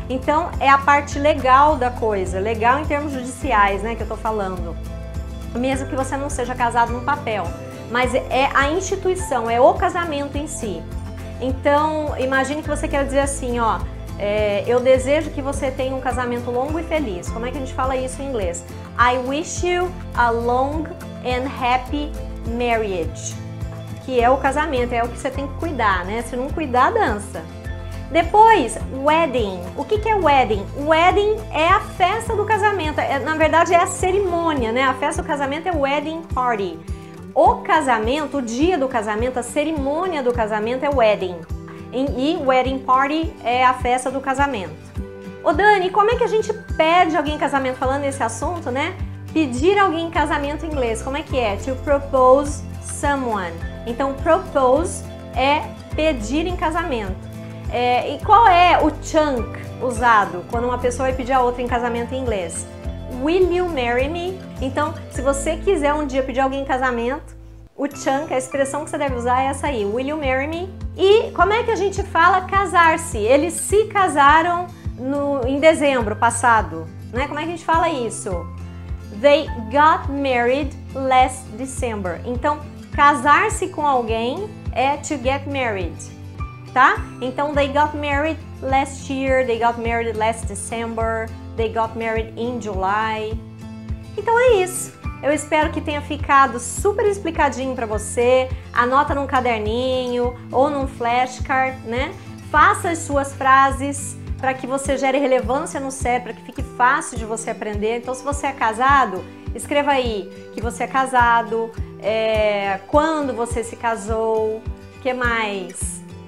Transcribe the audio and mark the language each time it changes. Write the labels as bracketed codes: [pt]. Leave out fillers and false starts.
[pt] Então é a parte legal da coisa, legal em termos judiciais, né, que eu tô falando. Mesmo que você não seja casado no papel, mas é a instituição, é o casamento em si. Então imagine que você quer dizer assim, ó, eu desejo que você tenha um casamento longo e feliz. Como é que a gente fala isso em inglês? [en] I wish you a long and happy marriage. [pt] Que é o casamento, é o que você tem que cuidar, né? Se não cuidar, dança. Depois, wedding. O que é wedding? Wedding é a festa do casamento. Na verdade, é a cerimônia, né? A festa do casamento é wedding party. O casamento, o dia do casamento, a cerimônia do casamento é wedding. E wedding party é a festa do casamento. Ô Dani, como é que a gente pede alguém em casamento? Falando nesse assunto, né? Pedir alguém em casamento em inglês, como é que é? [en] To propose someone. [pt] Então, propose é pedir em casamento. E qual é o chunk usado quando uma pessoa vai pedir a outra em casamento em inglês? [en] Will you marry me? [pt] Então, se você quiser um dia pedir alguém em casamento, o chunk, a expressão que você deve usar é essa aí, [en] will you marry me? [pt] E como é que a gente fala casar-se? Eles se casaram em dezembro passado, né? Como é que a gente fala isso? [en] They got married last December. [pt] Então, casar-se com alguém é to get married, tá? [en] Então, they got married last year, they got married last December, they got married in July. [pt] Então, é isso. Eu espero que tenha ficado super explicadinho para você. Anota num caderninho ou num flashcard, né? Faça as suas frases para que você gere relevância no CEP, para que fique fácil de você aprender. Então, se você é casado, escreva aí que você é casado, quando você se casou, o que mais?